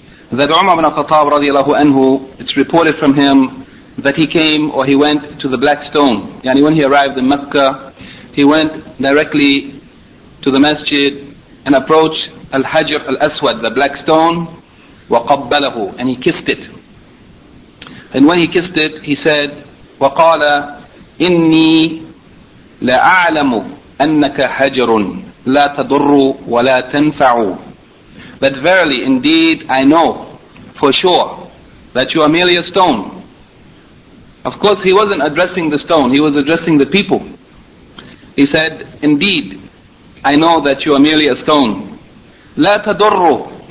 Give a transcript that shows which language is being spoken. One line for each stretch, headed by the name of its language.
English: That Umar ibn al-Khattab radiyallahu anhu, it's reported from him that he came or he went to the black stone. Yani when he arrived in Mecca, he went directly to the masjid and approached al-Hajr al-Aswad, the black stone,
Arabic: وقبله,
English: and he kissed it. And when he kissed it, he said,
Arabic: وَقَالَ إِنِّي لَأَعْلَمُ أَنَّكَ حَجْرٌ لَا تَضُرُّ وَلَا تَنْفَعُ.
English: That verily, indeed, I know for sure that you are merely a stone. Of course, he wasn't addressing the stone, he was addressing the people. He said, indeed, I know that you are merely a stone.
Arabic: لَا تَضُرُّ.